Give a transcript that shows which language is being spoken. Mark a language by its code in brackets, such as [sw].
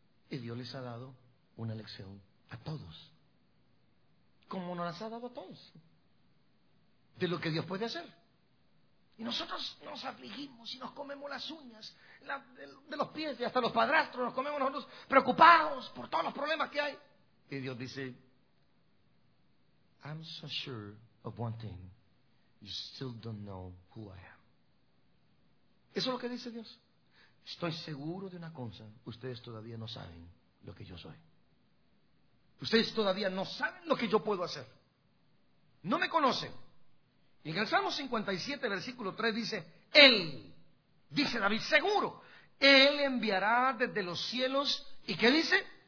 [es] Y Dios les ha dado una lección a todos, como nos las ha dado a todos, de lo que Dios puede hacer. Y nosotros nos afligimos y nos comemos las uñas, de los pies y hasta los padrastros, nos comemos nosotros preocupados por todos los problemas que hay. Y Dios dice: [en] I'm so sure of one thing, you still don't know who I am. [es] Eso es lo que dice Dios. Estoy seguro de una cosa: ustedes todavía no saben lo que yo soy. Ustedes todavía no saben lo que yo puedo hacer. No me conocen. Y en el Salmo 57, versículo 3, dice: Él, dice David, seguro, Él enviará desde los cielos, ¿y qué dice?